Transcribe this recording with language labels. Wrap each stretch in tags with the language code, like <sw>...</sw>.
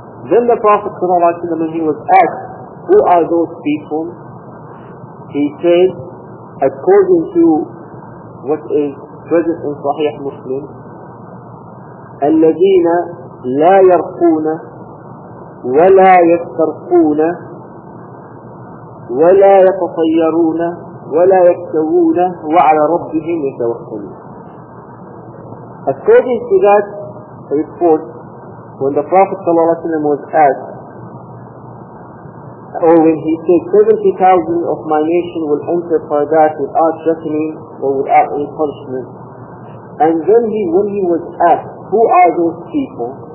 <en>Then the Prophet sallallahu alayhi wa sallam, when he was asked, who are those people? He said, according to what is present in Sahih Muslim,</en> <ar>الذين لا يرقون ولا يسترقون ولا يتطيرون ولا يكتوون وعلى ربهم يتوكلون.</ar> <en>According to that report, when the Prophet صلى الله عليه وسلم was asked, or when he said 70,000 of my nation will enter paradise without reckoning or without any punishment, and then when he was asked, who are those people?</en>